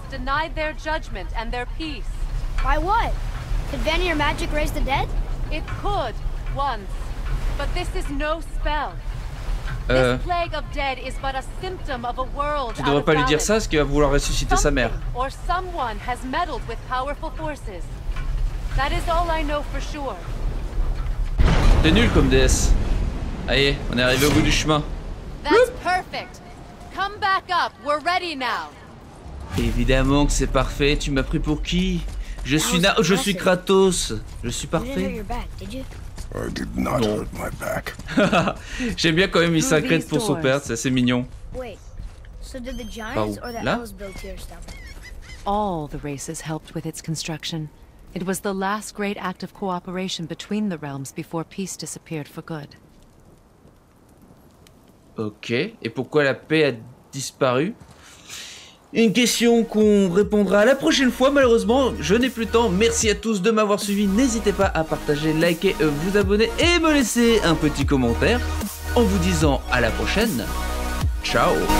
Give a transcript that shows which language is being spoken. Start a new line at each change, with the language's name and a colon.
English: Denied their judgment and their peace. By what? Could Vanir magic raise the dead? It could once, but this is no spell. This plague of dead is but a symptom of a world.
French: Tu devrais pas lui dire ça, parce qu'il va vouloir ressusciter sa mère.
English: Or someone has meddled with powerful forces. That is all I know for sure.
French: T'es nul comme déesse. Allez, on est arrivé au bout du chemin.
English: That's perfect. Come back up. We're ready now.
French: Évidemment que c'est parfait. Tu m'as pris pour qui? Je suis je suis Kratos. Je suis parfait.
English: I did not non. Hurt my back.
French: J'aime bien quand même, il s'inquiète pour son père, c'est assez mignon.
English: Wait, so did the giants or the elves build here stuff? All the races helped with its construction. It was the last great act of cooperation between the realms before peace disappeared for good.
French: Ok, et pourquoi la paix a disparu? Une question qu'on répondra la prochaine fois, malheureusement, je n'ai plus le temps. Merci à tous de m'avoir suivi, n'hésitez pas à partager, liker, vous abonner et me laisser un petit commentaire en vous disant à la prochaine. Ciao.